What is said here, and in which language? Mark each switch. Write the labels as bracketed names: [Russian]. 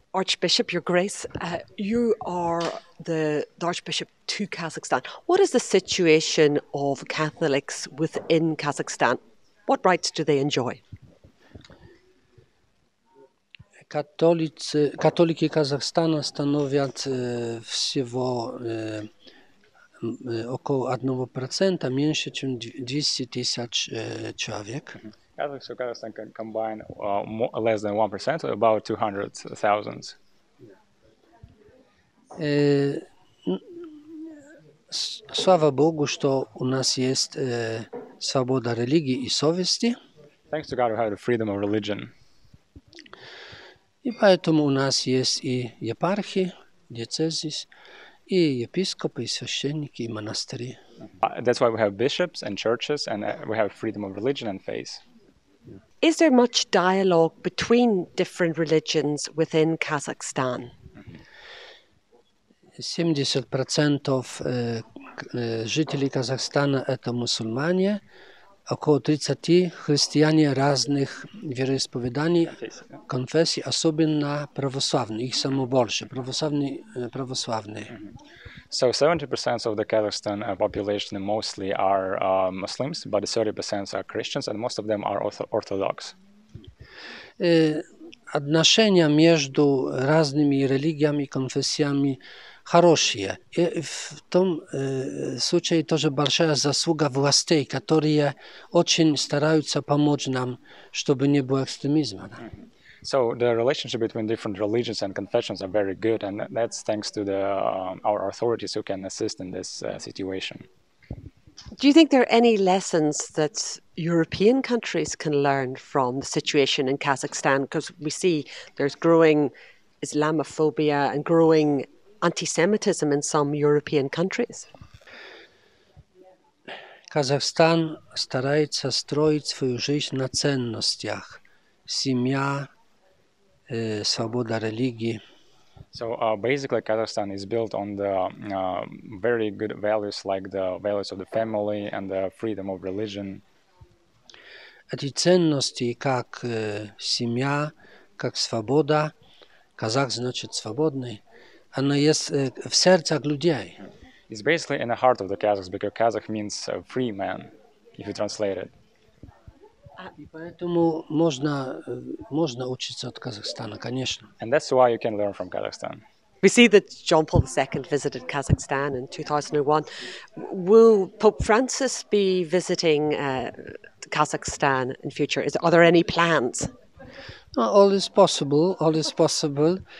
[English] Archbishop, Your Grace, you are the Archbishop to Kazakhstan. What is the situation of Catholics within Kazakhstan? What rights do they enjoy? [Polish] Katolicy Kazachstanu stanowią [Russian] всего [Polish] około 1%, mniej niż 200 tysięcy człowiek. [English] Catholics of Kazakhstan can combine less than 1%, so about 200,000. [Polish] Sława Bogu, że u nas jest swoboda religii i [Russian] совести. [English] Thanks to God, we have the freedom of religion. [Russian] I поэтому у нас есть и епархии, диецезис, и епископы, и священники, и монастыри. [English] That's why we have bishops and churches, and we have freedom of religion and faith. Is there much dialogue between different religions within Kazakhstan? 70% of [Russian] жителей Казахстана – это мусульмане, около 30 христиане разных вероисповеданий, конфессий, особенно православные, их само больше, православные. [English] So 70% of the Kazakhstan population mostly are Muslims, but 30% are Christians, and most of them are Orthodox. [Russian] Отношения между разными религиями и конфессиями хорошие. И в том случае тоже большая заслуга властей, которые очень стараются помочь нам, чтобы не было экстремизма. Mm-hmm. [English] So the relationship between different religions and confessions are very good, and that's thanks to the our authorities who can assist in this situation. Do you think there are any lessons that European countries can learn from the situation in Kazakhstan? Because we see there's growing Islamophobia and growing anti-Semitism in some European countries. [Russian] Kazakhstan старается строить свою жизнь на ценностях. Семья, свобода религии. [English] So basically, Kazakhstan is built on the very good values, like the values of the family and the freedom of religion. [Russian] Эти ценности, как семья, как свобода, казах значит свободный, она есть в сердцах людей. [English] It's basically in the heart of the Kazakhs, because Kazakh means free man, if you translate it. [Russian] И поэтому можно, можно учиться от Казахстана, конечно. [English] And that's why you can learn from Kazakhstan. We see that John Paul II visited Kazakhstan in 2001. Will Pope Francis be visiting Kazakhstan in future? Are there any plans? All is possible, all is possible.